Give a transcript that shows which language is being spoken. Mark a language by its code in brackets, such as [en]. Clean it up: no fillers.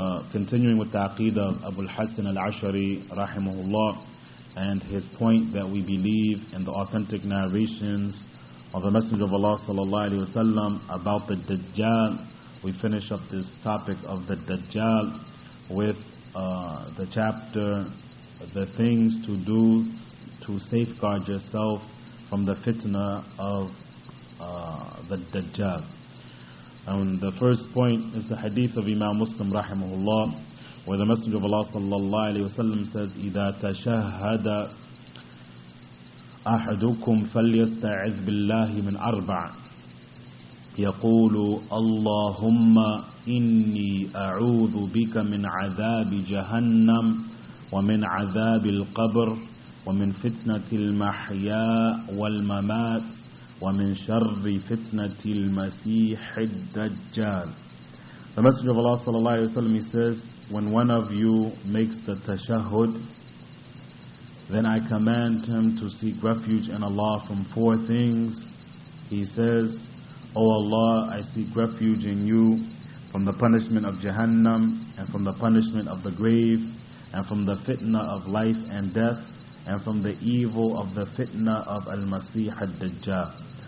[en] Continuing with the aqidah of Abu al-Hassan al-Ash'ari rahimahullah, and his point that we believe in the authentic narrations of the Messenger of Allah sallallahu alaihi wasallam about the Dajjal, we finish up this topic of the Dajjal with the chapter, the things to do to safeguard yourself from the fitna of the Dajjal. And the first point is the hadith of Imam Muslim rahimahullah, where the Messenger of Allah sallallahu alaihi wasallam says, [ar] إِذَا تَشَهَّدَ أَحَدُكُمْ فَلْيَسْتَعِذْ بِاللَّهِ مِنْ أَرْبَعٍ يقول اللهم إني أعوذ بك من عذاب جهنم ومن عذاب القبر ومن فتنة المحيا والممات ومن شر فتنة المسيح الدجال. [en] The Messenger of Allah sallallahu alaihi wasallam says, when one of you makes the tashahhud, then I command him to seek refuge in Allah from four things. He says, O Allah, I seek refuge in you from the punishment of Jahannam, and from the punishment of the grave, and from the fitna of life and death, and from the evil of the fitna of Al-Masih Ad-Dajjal.